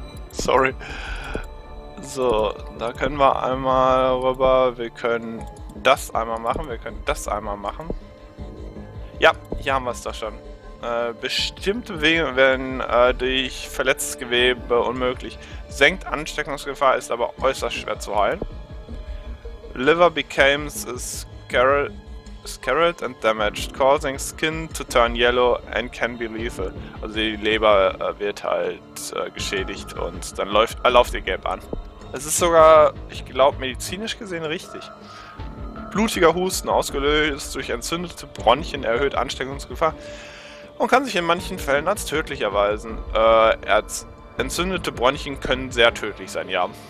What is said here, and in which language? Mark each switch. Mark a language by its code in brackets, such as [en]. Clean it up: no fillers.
[de] Sorry. So, da können wir einmal rüber. Wir können das einmal machen. Wir können das einmal machen. Ja, hier haben wir es doch schon. Bestimmte Wege werden durch verletztes Gewebe unmöglich. Senkt Ansteckungsgefahr, ist aber äußerst schwer zu heilen. [en] Liver became scarred and damaged, causing skin to turn yellow and can be lethal. [de] Also die Leber wird halt geschädigt und dann läuft ihr gelb an. Es ist sogar, ich glaube, medizinisch gesehen richtig. Blutiger Husten, ausgelöst durch entzündete Bronchien, erhöht Ansteckungsgefahr und kann sich in manchen Fällen als tödlich erweisen. Entzündete Bronchien können sehr tödlich sein, ja.